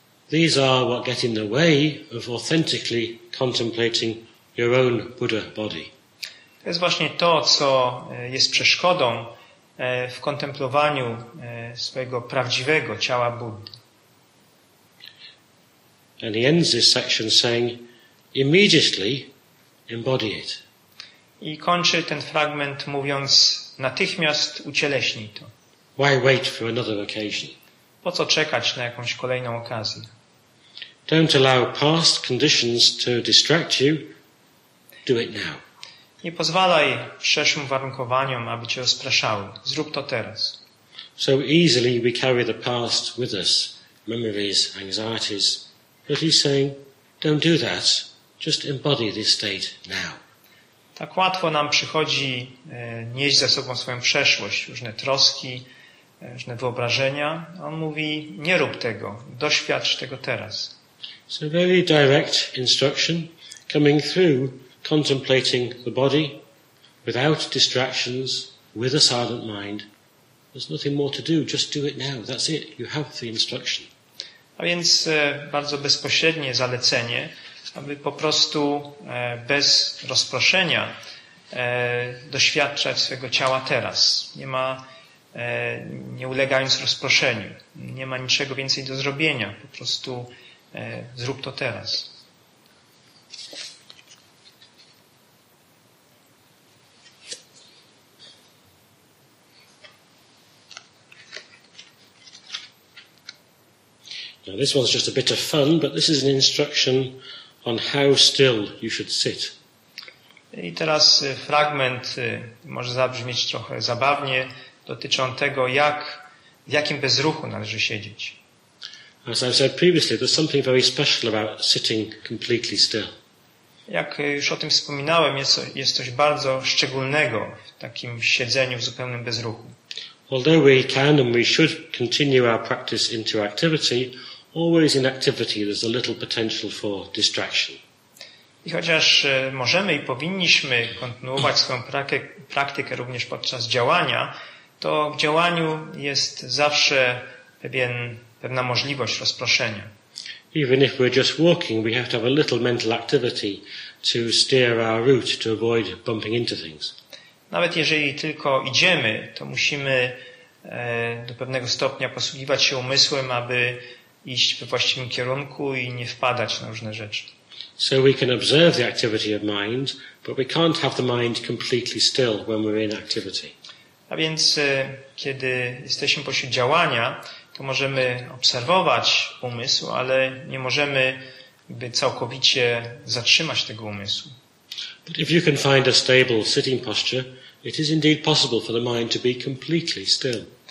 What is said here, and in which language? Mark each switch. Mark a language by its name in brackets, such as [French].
[English] These are what get in the way of authentically contemplating your own Buddha body. [Polish] To jest właśnie to, co jest przeszkodą w kontemplowaniu swojego prawdziwego ciała Buddy. [English] And he ends this section saying, immediately embody it. [Polish] I kończy ten fragment mówiąc, natychmiast ucieleśnij to. [English] Why wait for another occasion? [Polish] Po co czekać na jakąś kolejną okazję? [English] Don't allow past conditions to distract you. Do it now. [Polish] Nie pozwalaj przeszłym warunkowaniom, aby cię rozpraszały. Zrób to teraz. [English] So easily we carry the past with us, memories, anxieties. But he's saying, don't do that. Just embody this state now. [Polish] Tak łatwo nam przychodzi nieść ze sobą swoją przeszłość, różne troski, różne wyobrażenia. On mówi, nie rób tego. Doświadcz tego teraz. [English] So very direct instruction coming through contemplating the body without distractions, with a silent mind. There's nothing more to do, just do it now. That's it, you have the instruction. [Polish] A więc bardzo bezpośrednie zalecenie, aby po prostu bez rozproszenia doświadczać swojego ciała teraz. Nie ma, nie ulegając rozproszeniu, nie ma niczego więcej do zrobienia. Po prostu zrób to teraz. [English] Now this one's just a bit of fun, but this is an instruction on how still you should sit. [Polish] I teraz fragment może zabrzmieć trochę zabawnie, dotyczy on tego, jak, w jakim bezruchu należy siedzieć. [English] As I said previously, there's something very special about sitting completely still. [Polish] Jak już o tym wspominałem, jest coś bardzo szczególnego w takim siedzeniu w zupełnym bezruchu. [English] Although we can and we should continue our practice into activity, always in activity there's a little potential for distraction. [Polish] I chociaż możemy i powinniśmy kontynuować swoją praktykę również podczas działania, to w działaniu jest zawsze pewna możliwość rozproszenia. [English] Even if we're just walking, we have to have a little mental activity to steer our route to avoid bumping into things. [Polish] Nawet jeżeli tylko idziemy, to musimy do pewnego stopnia posługiwać się umysłem, aby iść we właściwym kierunku i nie wpadać na różne rzeczy. [English] So we can observe the activity of mind, but we can't have the mind completely still when we're in activity. [Polish] A więc kiedy jesteśmy pośród działania, to możemy obserwować umysł, ale nie możemy by całkowicie zatrzymać tego umysłu. [English] But if you can find a stable sitting posture, It is indeed possible for the mind to be completely still.